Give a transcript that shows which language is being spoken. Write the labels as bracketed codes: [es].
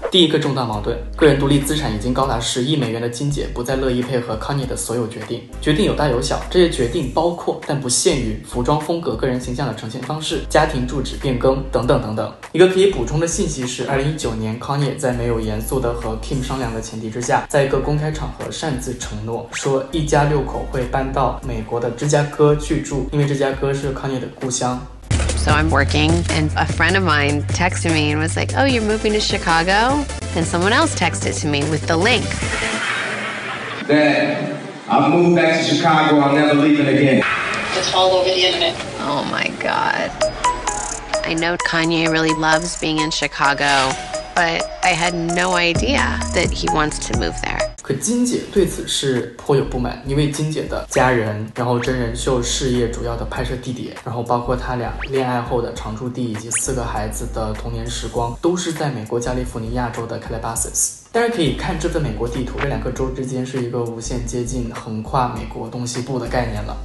[zh] 第一个重大矛盾，个人独立资产已经高达10亿美元的金姐不再乐意配合 Kanye 的所有决定，决定有大有小，这些决定包括但不限于服装风格、个人形象的呈现方式、家庭住址变更等等等等。一个可以补充的信息是，2019年 Kanye 在没有严肃的和 Kim 商量的前提之下，在一个公开场合擅自承诺说一家六口会搬到美国的芝加哥居住，因为芝加哥是 Kanye 的故乡。 [en] So I'm working, and a friend of mine texted me and was like, oh, you're moving to Chicago? Then someone else texted to me with the link. Dad, I've moved back to Chicago, I'm never leaving again. It's all over the internet. Oh my God. I know Kanye really loves being in Chicago, but I had no idea that he wants to move there. [zh] 可金姐对此是颇有不满，因为金姐的家人，然后真人秀事业主要的拍摄地点，然后包括他俩恋爱后的常住地以及四个孩子的童年时光，都是在美国加利福尼亚州的 Calabasas。但是可以看这份美国地图，这两个州之间是一个无限接近横跨美国东西部的概念了。